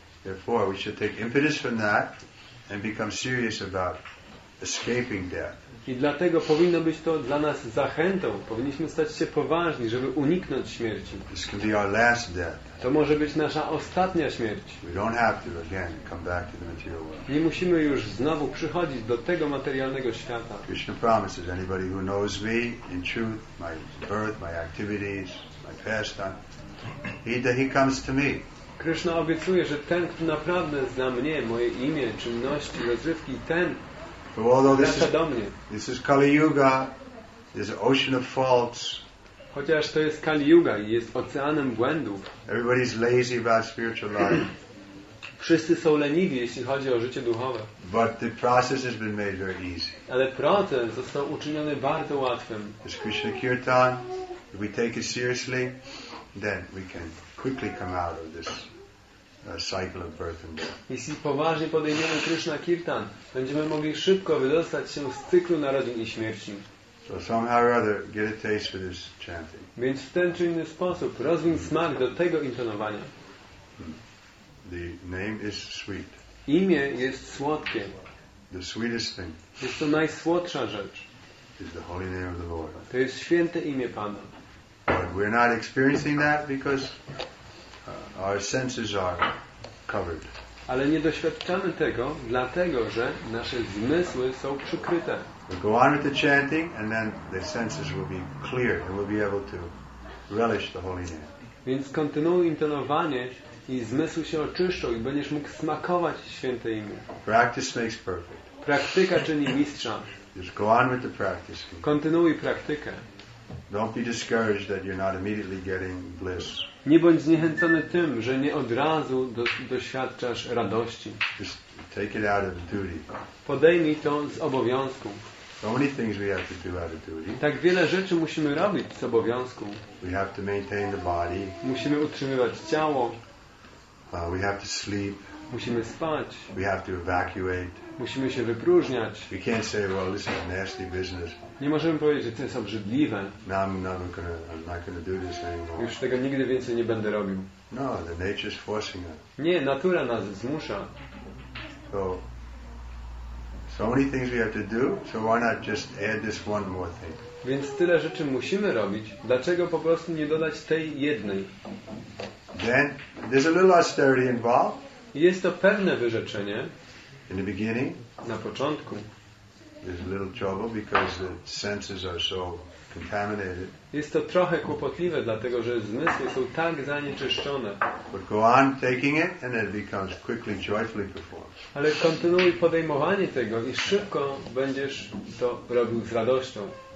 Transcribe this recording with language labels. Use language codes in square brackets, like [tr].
[en] Therefore, we should take impetus from that and become serious about escaping death. [pl] I dlatego powinno być to dla nas zachętą. Powinniśmy stać się poważni, żeby uniknąć śmierci. [en] This can be our last death. [pl] To może być nasza ostatnia śmierć. [en] We don't have to again come back to the material world. [pl] Nie musimy już znowu przychodzić do tego materialnego świata. [en] Krishna promises anybody who knows me in truth, my birth, my activities, my pastime, he comes to me. [pl] Krishna obiecuje, że ten, kto naprawdę zna mnie, moje imię, czynności, rozrywki, ten. [en] So although this is Kali Yuga, there's an ocean of faults. [pl] Chociaż to jest Kali Yuga i jest oceanem błędów. [en] Everybody's lazy about spiritual life. [pl] Wszyscy są leniwi, jeśli chodzi o życie duchowe. [en] But the process has been made very easy. [pl] Ale proces został uczyniony bardzo łatwym. [en] It's Krishna Kirtan. If we take it seriously, then we can quickly come out of this. A cycle of birth and death. [pl] Jeśli poważnie podejmiemy Krishna Kirtan, będziemy mogli szybko wydostać się z cyklu narodzin i śmierci. [en] So somehow or other, get a taste for this chanting. [pl] Więc w ten czy inny sposób rozwiń smak do tego intonowania. [en] The name is sweet. [pl] Imię jest słodkie. [en] The sweetest thing. [pl] Jest to najsłodsza rzecz. [en] Is the holy name of the Lord. [pl] To jest święte imię Pana. [en] But we're not experiencing that because our senses are covered. [pl] Ale nie doświadczamy tego, dlatego że nasze zmysły są przykryte. [en] We'll go on with the chanting, and then the senses will be clear, and we'll be able to relish the holy name. [pl] Więc kontynuuj intonowanie i zmysły się oczyszczą i będziesz mógł smakować święte imię. [en] Practice makes perfect. [pl] Praktyka czyni mistrza. [en] Just go on with the practice. [pl] Kontynuuj praktykę. [en] Don't be discouraged that you're not immediately getting bliss. [pl] Nie bądź zniechęcony tym, że nie od razu doświadczasz radości. [en] Just take it out of duty. [pl] Podejmij to z obowiązku. [en] So many things we have to do out of duty. [pl] Tak wiele rzeczy musimy robić z obowiązku. [en] We have to maintain the body. [pl] Musimy utrzymywać ciało. [en] We have to sleep. [pl] Musimy spać. [en] We have to evacuate. [pl] Musimy się wypróżniać. [en] We can't say, well, this is a nasty business. [pl] Nie możemy powiedzieć, że to jest obrzydliwe. [en] No, I'm not gonna do this anymore. [pl] Już tego nigdy więcej nie będę robił. [en] No, the nature is forcing us. [pl] Nie, natura nas zmusza. [en] So many things we have to do, so why not just add this one more thing? [pl] Więc tyle rzeczy musimy robić, dlaczego po prostu nie dodać tej jednej? [en] Then there's a little austerity involved. [pl] Jest to pewne wyrzeczenie. [en] In the beginning, [pl] na początku, [en] there's a little trouble because the senses are so contaminated. [pl] Jest to trochę kłopotliwe, dlatego że zmysły są tak zanieczyszczone. [en] But go on taking it, and it becomes quickly, joyfully performed. [pl] Ale kontynuuj podejmowanie tego i szybko będziesz to robił z radością.